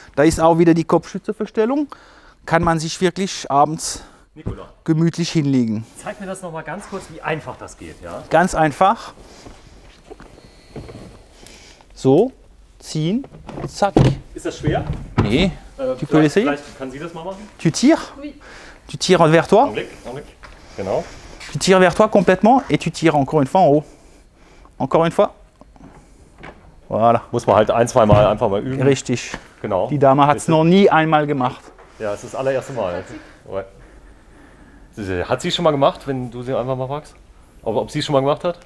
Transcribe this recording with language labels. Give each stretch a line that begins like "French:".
German: Da ist auch wieder die Kopfschützeverstellung. Kann man sich wirklich abends gemütlich hinlegen? Zeig mir das noch mal ganz kurz, wie einfach das geht. Ja? Ganz einfach. So, ziehen, zack. Ist das schwer? Nee. Vielleicht kann sie das mal machen.
French: Tu tires? Oui. Tu tires vers toi?
German: Un blick. Genau.
French: Tu tires vers toi complètement et tu tires encore une fois en haut. Encore une fois. Voilà.
German: Muss man halt ein, zwei Mal einfach mal üben. Richtig. Genau. Die Dame hat es noch nie einmal gemacht. Ja, es ist das allererste Mal. Hat sie schon mal gemacht, wenn du sie einfach mal fragst? Ob sie es schon mal gemacht hat?